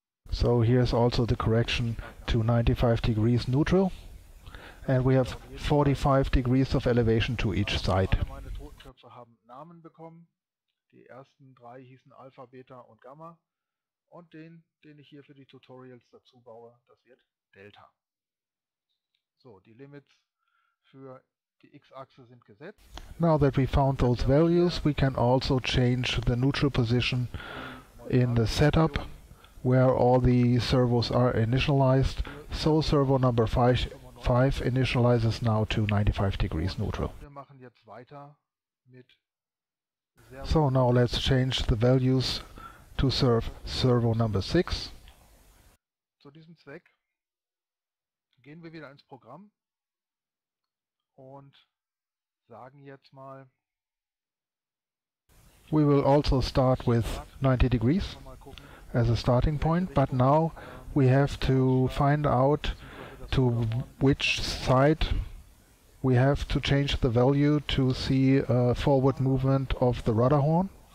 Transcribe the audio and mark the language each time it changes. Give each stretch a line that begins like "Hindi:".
English: So here's also the correction to 95 degrees neutral, and we have 45 degrees of elevation to each side.
German: Haben Namen bekommen. Die ersten drei hießen Alpha, Beta und Gamma. Und den, den ich hier für die Tutorials dazu baue, das wird Delta. So, die Limits für die X-Achse sind gesetzt.
English: Now that we found those values, we can also change the neutral position in the setup, where all the servos are initialized. So servo number 5 initializes now to 95 degrees neutral.
German: Wir machen jetzt weiter.
English: So now let's change the values to servo number 6.
German: Zu diesem Zweck gehen wir wieder ins Programm und sagen jetzt mal,
English: we will also start with 90 degrees as a starting point, but now we have to find out to which side we have to change the value to see a forward movement of the rudder horn.